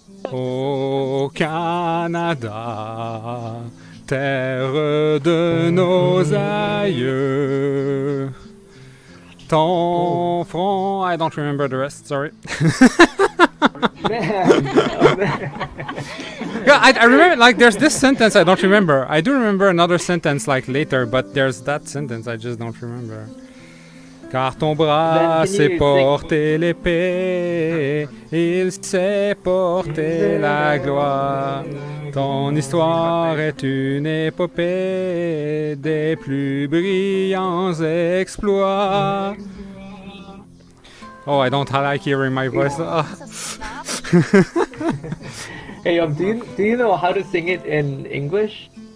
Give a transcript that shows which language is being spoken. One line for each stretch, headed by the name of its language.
French: Oh Canada, terre de nos aïeux. Ton front.
English: I don't remember the rest, sorry. Yeah, I remember, like, there's this sentence I don't remember. I do remember another sentence, like, later, but there's that sentence I just don't remember.
French: Car ton bras sait porter l'épée, il sait porter la gloire. Ton histoire est une épopée des plus brillants exploits.
English: Oh, I don't like hearing my voice. Hey, do you know how to sing it in English?